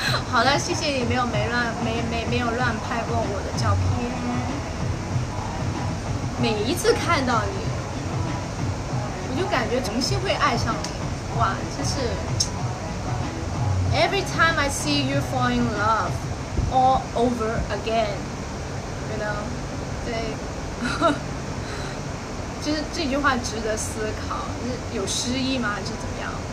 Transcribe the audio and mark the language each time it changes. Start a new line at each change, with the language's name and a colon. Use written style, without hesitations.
Chinese: 好了，谢谢你没有乱拍过我的照片。每一次看到你，我就感觉重新会爱上你。哇，这是。
English: Every time I see you fall in love all over again, you know?
Chinese: 对，就是这句话值得思考，有诗意吗？还是怎么样？